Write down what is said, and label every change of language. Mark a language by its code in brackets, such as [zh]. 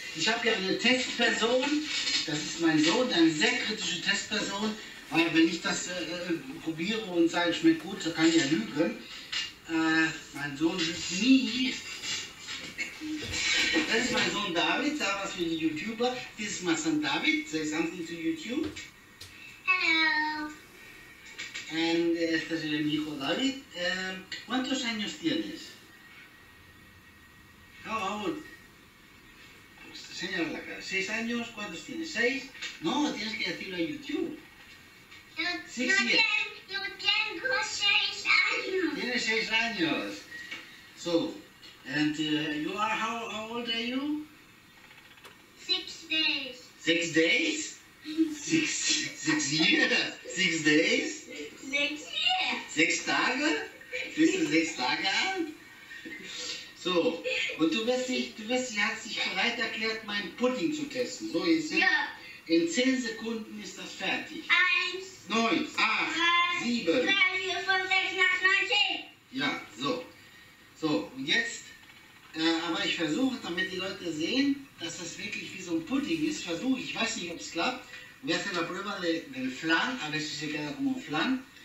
[de] Ich habe ja eine Testperson, das ist mein Sohn, eine sehr kritische Testperson, weil wenn ich das probiere und sage, schmeckt gut, so kann ich ja lügen. Mein Sohn ist nie. Das ist mein Sohn David, sag was für die YouTuber. Das ist mein Sohn David, [en] say something to YouTube. [es] And este es mi hijo David. ¿Cuántos años tienes? [en] How old? [es] Señala la cara. ¿Seis años? ¿Cuántos tienes? ¿Seis? No, tienes que decirlo a YouTube. Yo tengo seis años. Tienes seis años. [en] So, and you are, how old are you? 6 days. 6 days? Six years? [de] Sechs Tage? Bist du sechs Tage alt? So, und du wirst dich, hat sich bereit erklärt, meinen Pudding zu testen. So ist es. Ja. In 10 Sekunden ist das fertig. 1, 9, 8, 7, 3, 4, 5, 6, 8, 9, 10. Ja, so. So, und jetzt, aber ich versuche, damit die Leute sehen, dass das wirklich wie so ein Pudding ist, versuche, ich weiß nicht, ob es klappt. [es] Voy a hacer la prueba del flan, a ver si se queda como un flan.